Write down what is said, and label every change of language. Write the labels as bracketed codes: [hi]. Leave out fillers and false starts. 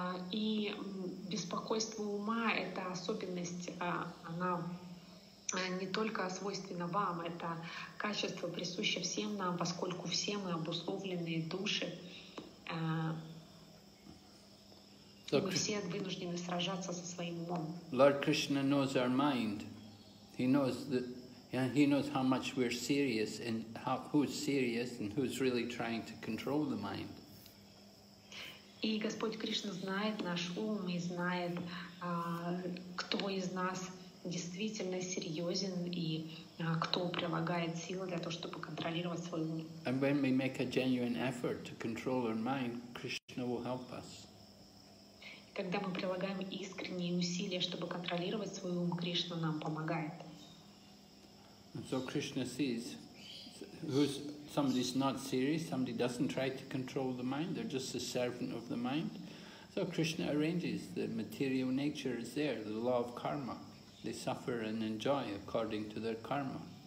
[ru] И беспокойство ума — это особенность, она не только свойственна вам, это качество присуще всем нам, поскольку все мы обусловленные души. Мы все вынуждены сражаться со своим умом. [en] Lord Krishna knows our mind. He knows how much we're serious and who's serious and who's really trying to control the mind. [ru] И Господь Кришна знает наш ум и знает, кто из нас действительно серьезен и кто прилагает силы для того, чтобы контролировать свой ум. [en] And when we make a genuine effort to control our mind, Krishna will help us. [ru] Когда мы прилагаем искренние усилия, чтобы контролировать свой ум, Кришна нам помогает. [en] And so Krishna sees who's somebody's not serious, somebody doesn't try to control the mind, they're just a servant of the mind. So Krishna arranges the material nature is there, the law of karma. They suffer and enjoy according to their karma.